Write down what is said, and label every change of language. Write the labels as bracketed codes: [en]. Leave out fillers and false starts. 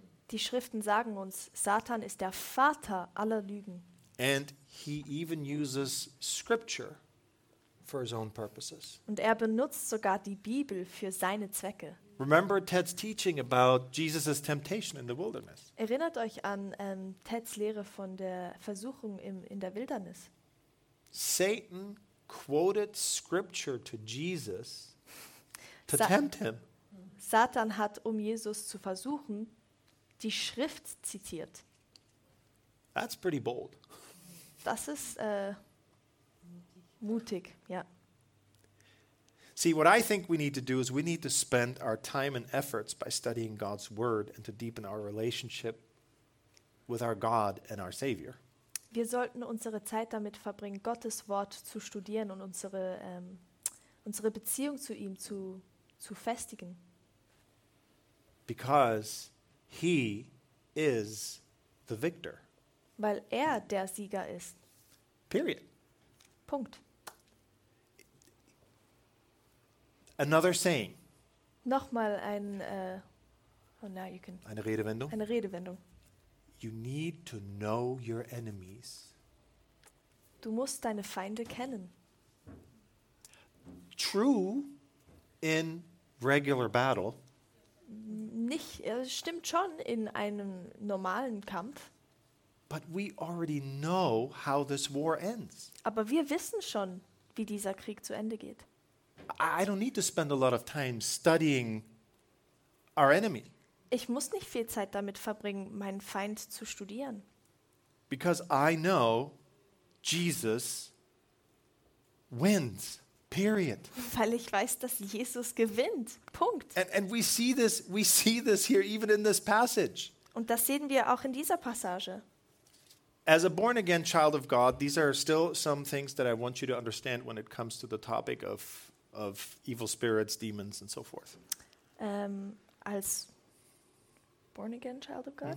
[de] Die Schriften sagen uns, Satan ist der Vater aller Lügen. [en] And he even uses scripture for his own purposes. [de] Und er benutzt sogar die Bibel für seine Zwecke. [en] Remember Ted's teaching about Jesus' temptation in the wilderness. [de] Erinnert euch an Ted's Lehre von der Versuchung in der Wildernis. [en] Satan quoted scripture to Jesus to tempt him. [de] Satan hat, um Jesus zu versuchen, die Schrift zitiert. [en] That's pretty bold. [de] Das ist mutig, ja. [en] See, what I think we need to do is we need to spend our time and efforts by studying God's word and to deepen our relationship with our God and our Savior. [de] Wir sollten unsere Zeit damit verbringen, Gottes Wort zu studieren und unsere unsere Beziehung zu ihm zu festigen. [en] Because he is the victor. [de] Weil der Sieger ist. [en] Period. [de] Punkt. [en] Another saying. [de] Nochmal ein eine Redewendung. Eine Redewendung. [en] You need to know your enemies. [de] Du musst deine Feinde kennen. [en] True in regular battle. [de] Nicht, stimmt schon in einem normalen Kampf. [en] But we already know how this war ends. [de] Aber wir wissen schon, wie dieser Krieg zu Ende geht. [en] I don't need to spend a lot of time studying our enemy. [de] Ich muss nicht viel Zeit damit verbringen, meinen Feind zu studieren. [en] Because I know Jesus wins. Period. [de] Weil ich weiß, dass Jesus gewinnt. Punkt. [en] And we see this here even in this passage. [de] Und das sehen wir auch in dieser Passage. [en] As a born again child of God, these are still some things that I want you to understand when it comes to the topic of evil spirits, demons and so forth. Als born again child of God?